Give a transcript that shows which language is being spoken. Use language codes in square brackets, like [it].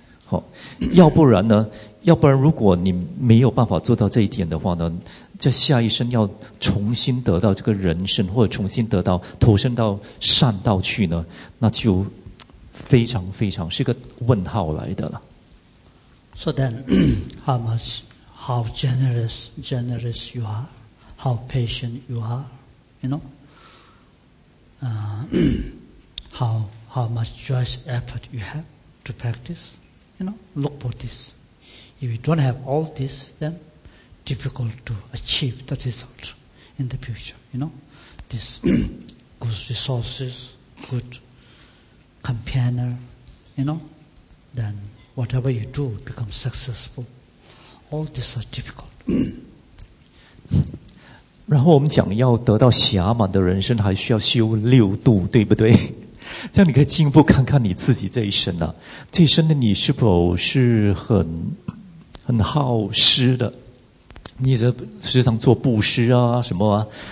[zh] 好，要不然如果你没有办法做到这一点的话呢，在下一生要重新得到这个人生，或者重新得到投身到善道去呢，那就非常非常是个问号来的了。 [en] So then, how much, how generous you are, how patient you are, you know, how much joyous effort you have to practice. You know, look for this. If you don't have all this, then difficult to achieve the result in the future. You know, this good resources, good companion, you know, then whatever you do becomes successful. All these are difficult. [zh] 然后我们讲要得到暇满的人生，还需要修六度，对不对？这样你可以进一步看看你自己这一生啊，这一生的你是否是很好施的，你时常做布施啊什么啊，